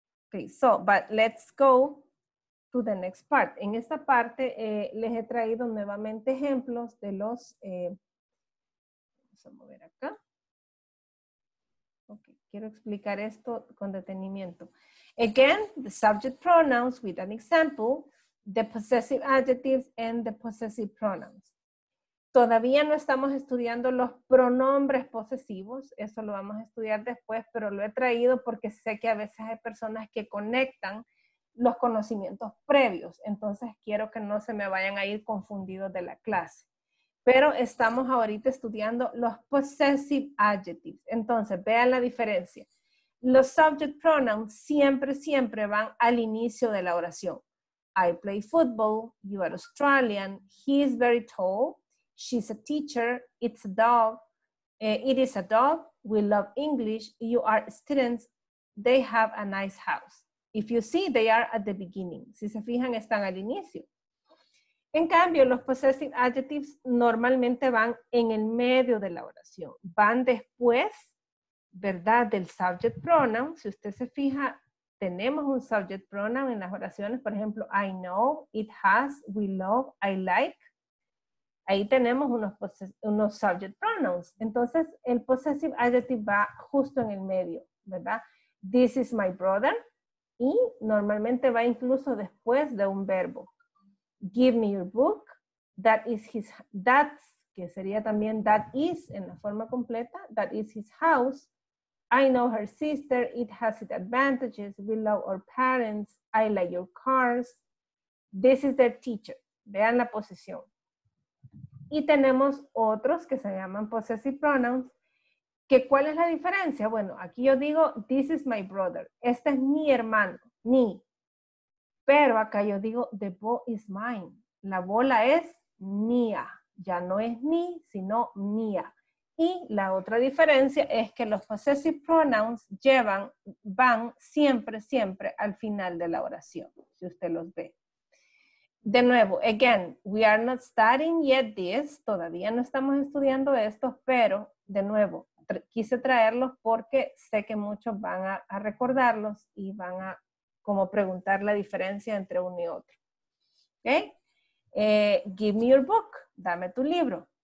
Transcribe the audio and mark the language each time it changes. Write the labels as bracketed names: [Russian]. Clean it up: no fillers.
[English] Okay, so, but let's go to the next part. [Spanish] En esta parte les he traído nuevamente ejemplos de los... Vamos a mover acá. Ok, quiero explicar esto con detenimiento. [English] Again, the subject pronouns with an example, the possessive adjectives and the possessive pronouns. [Spanish] Todavía no estamos estudiando los pronombres posesivos, eso lo vamos a estudiar después, pero lo he traído porque sé que a veces hay personas que conectan los conocimientos previos, entonces quiero que no se me vayan a ir confundidos de la clase. Pero estamos ahorita estudiando los possessive adjectives. Entonces, vean la diferencia. Los subject pronouns siempre, siempre van al inicio de la oración. [English] I play football, you are Australian, he is very tall, she's a teacher, it's a dog, it is a dog, we love English, you are students, they have a nice house. If you see, they are at the beginning. [Spanish] Si se fijan, están al inicio. En cambio, los possessive adjectives normalmente van en el medio de la oración. Van después, ¿verdad?, del subject pronoun. Si usted se fija, tenemos un subject pronoun en las oraciones. Por ejemplo, [English] I know, it has, we love, I like. [Spanish] Ahí tenemos unos subject pronouns. Entonces, el possessive adjective va justo en el medio, ¿verdad? [English] This is my brother. [Spanish] Y normalmente va incluso después de un verbo. [English] Give me your book, that is his, that's, [Spanish] que sería también [English] that is [Spanish] en la forma completa, [English] that is his house, I know her sister, it has its advantages, we love our parents, I like your cars, this is their teacher, [Spanish] vean la posición. Y tenemos otros que se llaman possessive pronouns, que ¿cuál es la diferencia? Bueno, aquí yo digo, [English] this is my brother, [Spanish] este es mi hermano, mi. Pero acá yo digo, [English] the ball is mine. [Spanish] La bola es mía. Ya no es mi, sino mía. Y la otra diferencia es que los possessive pronouns llevan, van siempre, siempre al final de la oración, si usted los ve. De nuevo, [English] again, we are not studying yet this. [Spanish] Todavía no estamos estudiando estos, pero de nuevo, quise traerlos porque sé que muchos van a recordarlos y van a, como preguntar la diferencia entre uno y otro. [English] ¿Okay? Give me your book. [Spanish] Dame tu libro.